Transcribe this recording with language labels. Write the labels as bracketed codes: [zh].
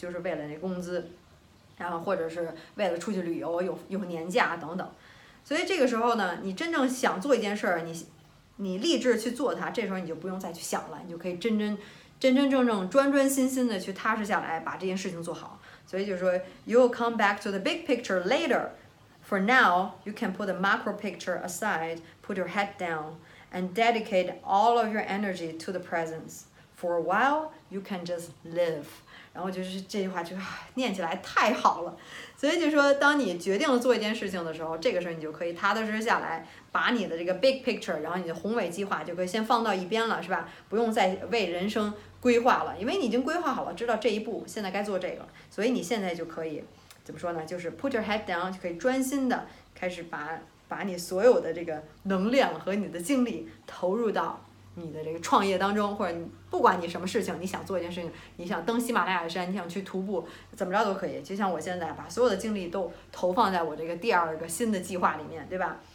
[zh] 就是为了那工资，然后或者是为了出去旅游有年假等等。所以这个时候呢，你真正想做一件事儿，你立志去做它，这时候你就不用再去想了，你就可以真真正正专专心心的去踏实下来把这件事情做好。所以就是说 [en] you'll come back to the big picture laterFor now, you can put the macro picture aside, put your head down, and dedicate all of your energy to the present. For a while, you can just live. [zh] 然后就是这句话就念起来太好了。所以就说当你决定了做一件事情的时候，这个时候你就可以踏踏实实下来，把你的这个 [en] big picture, [zh] 然后你的宏伟计划就可以先放到一边了，是吧？不用再为人生规划了，因为你已经规划好了，知道这一步现在该做这个，所以你现在就可以怎么说呢，就是 [en] put your head down， [zh] 就可以专心的开始把你所有的这个能量和你的精力投入到你的这个创业当中，或者不管你什么事情，你想做一件事情，你想登喜马拉雅山，你想去徒步，怎么着都可以，就像我现在把所有的精力都投放在我这个第二个新的计划里面，对吧？